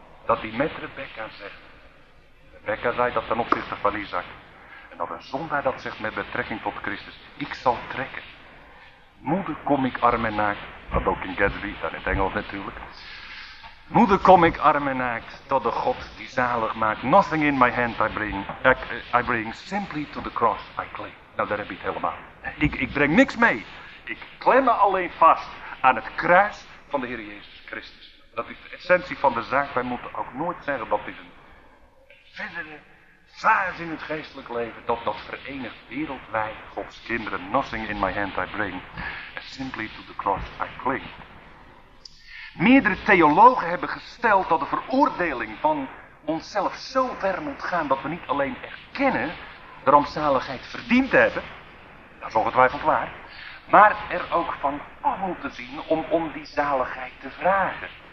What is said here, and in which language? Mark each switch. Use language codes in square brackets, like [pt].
[nl] Dat hij met Rebecca zegt. Rebecca zei dat ten opzichte van Isaac. En dat een zondaar dat zegt met betrekking tot Christus. Ik zal trekken. Moeder, kom ik arm en naakt. Dat ook in Gatsby, dan in het Engels natuurlijk. Moeder, kom ik arm en naakt tot de God die zalig maakt. [en] Nothing in my hand I bring. Simply to the cross I cling. [nl] Nou, daar heb je het helemaal. Ik breng niks mee. Ik klem me alleen vast aan het kruis van de Heer Jezus Christus. Dat is de essentie van de zaak. Wij moeten ook nooit zeggen dat is een verdere fase in het geestelijk leven. Dat verenigt wereldwijd Gods kinderen. [en] Nothing in my hand I bring. And simply to the cross I cling. [nl] Meerdere theologen hebben gesteld dat de veroordeling van onszelf zo ver moet gaan dat we niet alleen erkennen de rampzaligheid verdiend hebben. Dat is ongetwijfeld waar. Maar er ook van af moeten zien om die zaligheid te vragen.